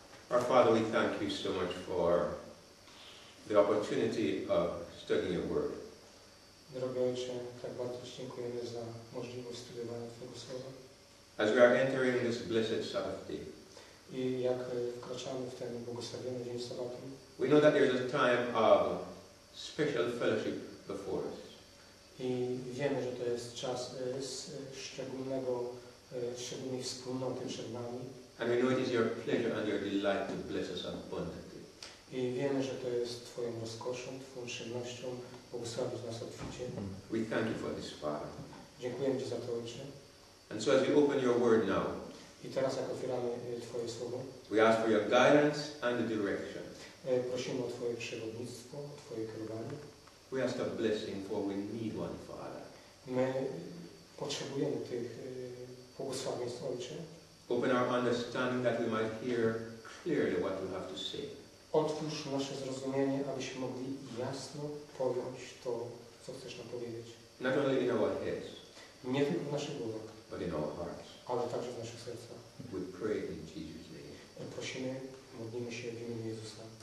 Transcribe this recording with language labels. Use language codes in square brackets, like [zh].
[en] Our Father, we thank you so much for the opportunity of studying your word. [pl] Drogi Ojcze, tak bardzo Ci dziękujemy za możliwość studiowania Twojego Słowa. [en] As we are entering this blessed Sabbath day, [pl] i jak wkraczamy w ten błogosławiony dzień sabatu, [en] we know that there is a time of special fellowship before us. [pl] I wiemy, że to jest czas szczególnej wspólnoty przed nami. [en] And we know it is your pleasure and your delight to bless us abundantly. [pl] I wiemy, że to jest Twoją rozkoszą, Twoją przyjemnością błogosławić nas obficie. [en] We thank you for this, Father. [pl] Dziękujemy Ci za to, Ojcze. [en] And so as we open your word now, [pl] i teraz jak otwieramy Twoje słowo, [en] we ask for your guidance and the direction. [pl] Prosimy o Twoje przewodnictwo, o Twoje kierowanie. [en] We ask a blessing, for we need one, Father. [pl] My potrzebujemy tych błogosławieństw, Ojcze. [en] Open our understanding that we might hear clearly what you have to say. [pl] Otwórz nasze zrozumienie, abyśmy mogli jasno pojąć to, co chcesz nam powiedzieć. [en] Not only in our heads, [pl] nie tylko w naszych głowach, [en] but in our hearts, [pl] ale także w naszych sercach. [en] We pray in Jesus' name. [pl] Prosimy, modlimy się w imieniu Jezusa.